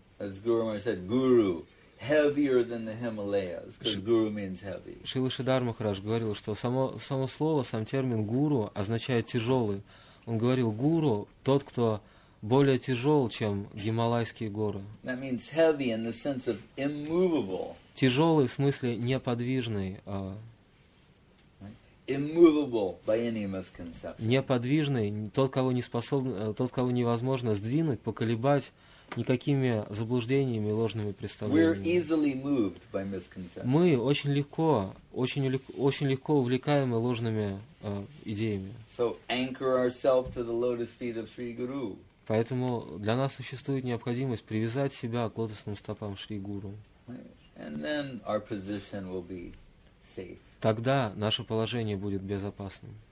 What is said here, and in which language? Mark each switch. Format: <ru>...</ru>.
<en>As Guru Maharaj said, Guru heavier than the Himalayas, because Guru means heavy.</en> <ru>Шрила Шридхар Махарадж говорил, что само слово, сам термин Гуру означает тяжелый. Он говорил, гуру – тот, кто более тяжел, чем Гималайские горы.</ru> <en>That means heavy in the sense of immovable.</en> <ru>Тяжелый в смысле неподвижный.</ru> <en>Immovable by any misconception.</en> <ru>Неподвижный – тот, кого невозможно сдвинуть, поколебать никакими заблуждениями и ложными представлениями.</ru> <en>We're easily moved by misconceptions.</en> <ru>Мы очень легко увлекаемы ложными идеями.</ru> <en>So anchor ourselves to the lotus feet of Sri Guru.</en> <ru>Поэтому для нас существует необходимость привязать себя к лотосным стопам Шри Гуру.</ru> <en>And then our position will be safe.</en> <ru>Тогда наше положение будет безопасным.</ru>